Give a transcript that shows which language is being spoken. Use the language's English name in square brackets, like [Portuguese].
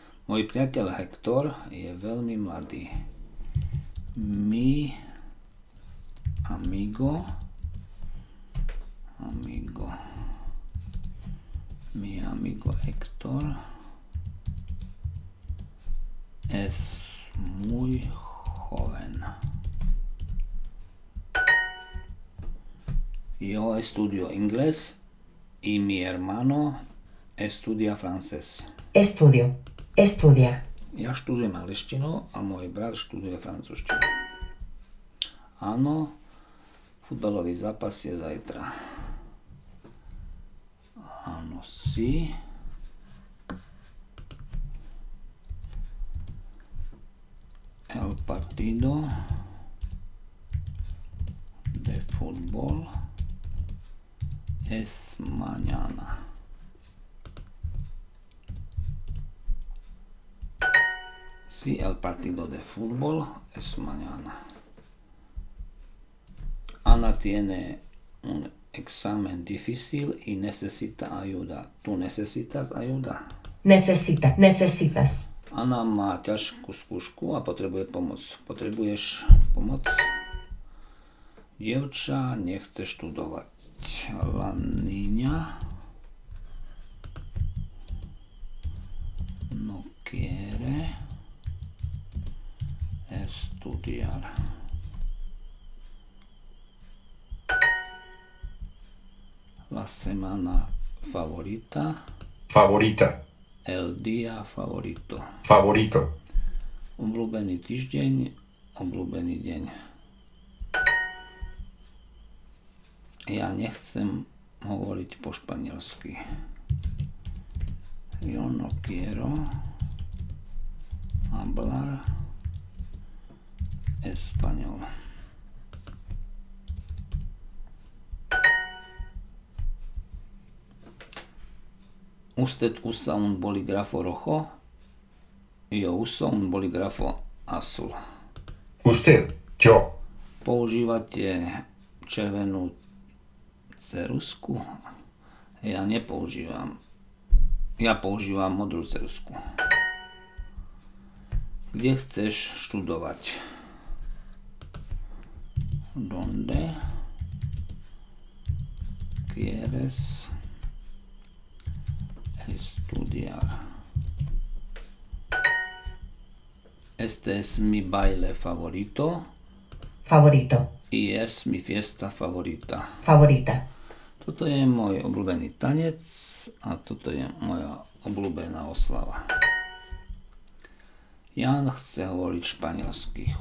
[Slovak] Môj priateľ Hector je veľmi mladý. [Spanish] Mi amigo, amigo, mi amigo Hector es muy joven. Yo estudio inglés y mi hermano estudia francés. Estudio. Estudia. [Slovak] Ja študujem angličtinu a môj brat študuje francúzštinu. Áno, futbalový zápas je zajtra. Áno, si. [Spanish] El partido de fútbol es mañana. Si el partido de fútbol es mañana. Ana tiene un examen difícil y necesita ayuda. ¿Tú necesitas ayuda? Necesita, necesitas. [Slovak] Ana má ťažkú skúšku a potrebuje pomoc. Potrebuješ pomoc? Dievča nechce študovať. [Spanish] La niña no quiere estudiar. La semana favorita. Favorita. El día favorito. Favorito. [Slovak] Obľúbený týždeň, obľúbený deň. Ja nechcem hovoriť po španielsky. [Spanish] Yo no quiero hablar español. Usted usa un bolígrafo rojo? Yo uso un bolígrafo azul. Usted, yo. [Slovak] Používate červenú ceruzku? Ja nepoužívam. Ja používam modrú ceruzku. Kde chceš študovať? [Spanish] Donde quieres estudiar? Este es mi baile favorito. Favorito. Y es mi fiesta favorita. Favorita. [Slovak] Toto je môj obľúbený tanec a toto je moja obľúbená oslava. Jan chce hovoriť španielsky.